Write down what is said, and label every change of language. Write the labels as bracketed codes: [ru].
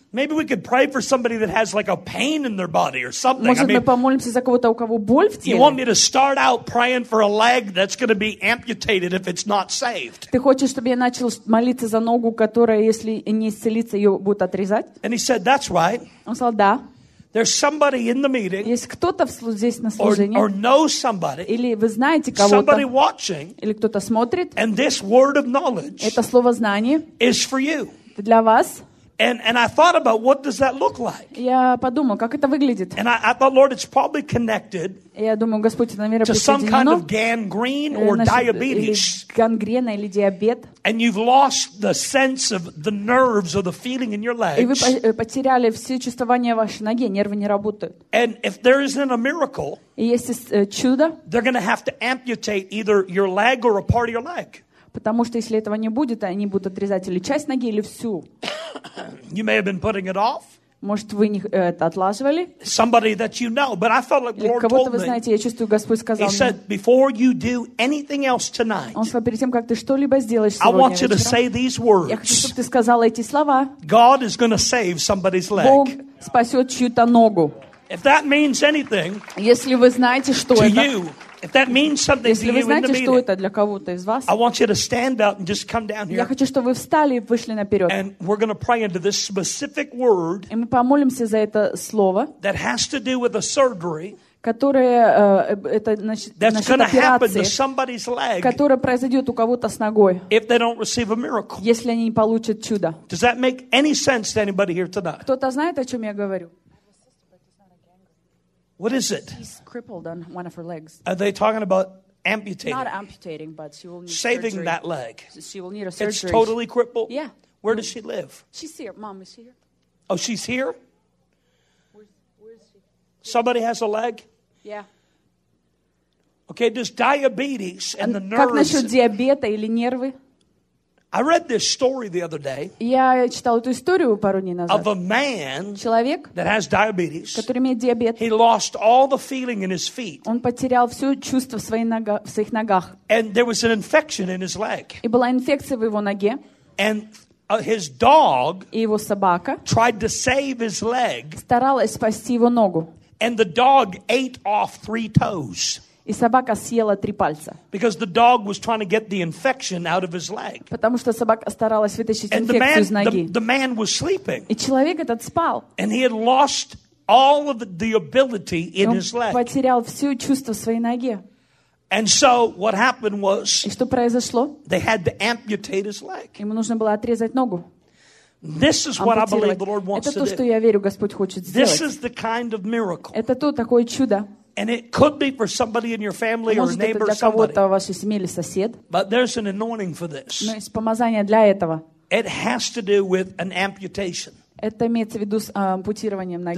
[en] Maybe we could pray for somebody that has like a pain in their body or something. [ru] Может, мы помолимся за кого-то, у кого боль в теле? [en] You want me to start out praying for a leg that's going to be amputated if it's not saved? [ru] Ты хочешь, чтобы я начал молиться за ногу, которая, если не исцелится, ее будут отрезать? [en] And he said, that's right. [ru] Он сказал, да. [en] There's somebody in the meeting. [ru] Есть кто-то здесь на служении. [en] Or know somebody. [ru] Или вы знаете кого-то. [en] Somebody watching. [ru] Или кто-то смотрит. [en] And this word of knowledge. [ru] Это слово знания. [en] Is for you. [ru] Это для вас. [en] And I thought about what does that look like? [ru] Я подумал, как это выглядит. [en] And I thought, Lord, it's probably connected. [ru] Я думаю, Господь, это, наверное, присоединено. [en] To some kind of gangrene or diabetes. [ru] Гангрена или диабет. [en] And you've lost the sense of the nerves or the feeling in your legs. [ru] И вы потеряли все чувствование в вашей ноге, нервы не работают. [en] And if there isn't a miracle, [ru] если чудо, [en] they're going to have to amputate either your leg or a part of your leg. [ru] Потому что если этого не будет, они будут отрезать или часть ноги, или всю. [en] You may have been putting it off. [ru] Может, вы это отлаживали? [en] Somebody that you know, but I felt like the Lord told me. [ru] Кого-то вы знаете, я чувствую, Господь сказал мне. [en] He said, before you do anything else tonight. [ru] Он сказал, перед тем, как ты что-либо сделаешь сегодня вечером. [en] I want you to say these words. [ru] Я хочу, чтобы ты сказал эти слова. [en] God is going to save somebody's leg. [ru] Бог спасет чью-то ногу. [en] If that means anything. [ru] Если вы знаете, что это. [en] To you. If that means something [ru] если вы знаете, что это для кого-то из вас, [en] I want you to stand up and just come down here. [ru] Я хочу, чтобы вы встали и вышли наперед. [en] And we're going to pray into this specific word. [ru] И мы помолимся за это слово. [en] That has to do with a surgery. [ru] Которое это значит операции, которая произойдет у кого-то с ногой. [en] If they don't receive a miracle. [ru] Если они не получат чудо. [en] Does that make any sense to anybody here tonight? [ru] Кто-то знает, о чем я говорю? [en] What is it? She's crippled on one of her legs. Are they talking about amputating? Not amputating, but she will need saving surgery. That leg. She will need a surgery. It's totally crippled? Yeah. Where does she live? She's here. Mom, is she here? Oh, she's here? Where is she? Somebody has a leg? Yeah. Okay, does diabetes and the nerves... [ru] Как насчет диабета или нервы? [en] I read this story the other day. [ru] Я читал эту историю пару дней назад. [en] Of a man, [ru] человек, [en] that has diabetes, [ru] который имеет диабет. [en] He lost all the feeling in his feet. [ru] Он потерял все чувство в своих ногах. [en] And there was an infection in his leg. [ru] И была инфекция в его ноге. [en] And his dog, [ru] и его собака, [en] tried to save his leg. [ru] Старалась спасти его ногу. [en] And the dog ate off three toes. [ru] И собака съела три пальца. [en] Because the dog was trying to get the infection out of his leg. [ru] Потому что собака старалась вытащить инфекцию из ноги. [en] The man was sleeping. [ru] И человек этот спал. [en] And he had lost all of the ability in his leg. [ru] Потерял все чувство в своей ноге. [en] And so what happened was, [ru] и что произошло? [en] They had to amputate his leg. [ru] Ему нужно было отрезать ногу. [en] This is what I believe the Lord wants to do. [ru] Это то, что я верю, Господь хочет сделать. [en] This is the kind of miracle. [ru] Это то такое чудо. [en] And it could be for somebody in your family or neighbor [ru] Может, это для кого-то в вашей семье или сосед. [en] But there's an anointing for this. [ru] Но есть помазание для этого. [en] It has to do with an amputation. [ru] Это имеется в виду с ампутированием ноги.